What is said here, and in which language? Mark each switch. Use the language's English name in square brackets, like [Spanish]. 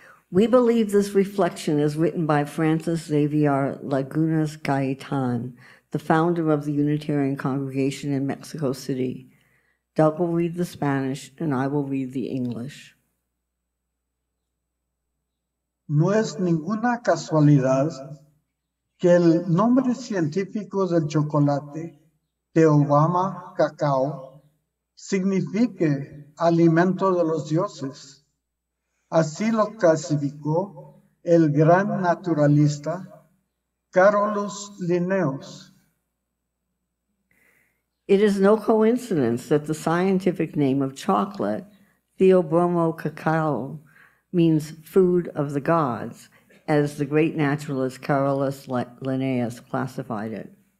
[English] We believe this reflection is written by Francis Xavier Lagunas Gaitan, the founder of the Unitarian Congregation in Mexico City. Doug will read the Spanish and I will read the English. [Spanish] No es ninguna casualidad que el nombre científico del chocolate, Teobama Cacao, signifique alimento de los dioses. Así lo clasificó el gran naturalista Carolus Linnaeus. [English] It is no coincidence that the scientific name of chocolate, Theobroma Cacao, means food of the gods, as the great naturalist Carolus Linnaeus classified it.